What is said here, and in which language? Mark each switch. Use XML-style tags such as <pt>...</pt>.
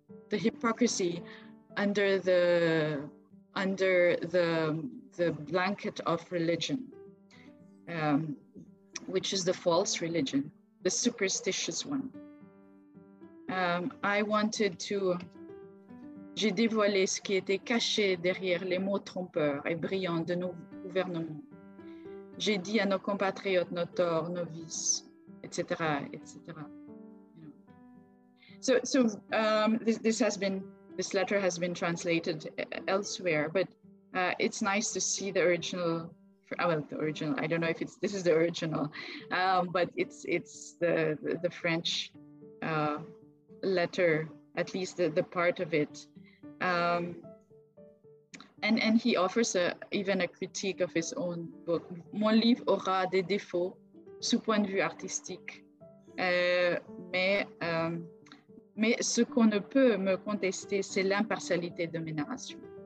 <en>hypocrisy under the blanket of religion, which is the false religion, the superstitious one. I wanted to.</en> <fr>J'ai dévoilé ce qui était caché derrière les mots trompeurs et brillants de nos gouvernements. J'ai dit à nos compatriotes nos torts, nos vices, etc., etc.</fr> <en>This letter has been translated elsewhere, but it's nice to see the original. The original. I don't know if it's this is the original, but it's the French letter, at least the part of it. And he offers even a critique of his own book.</en> <fr>Mon livre aura des défauts sous point de vue artistique, mais ce qu'on ne peut me contester, c'est l'impartialité de mes narrations.</fr>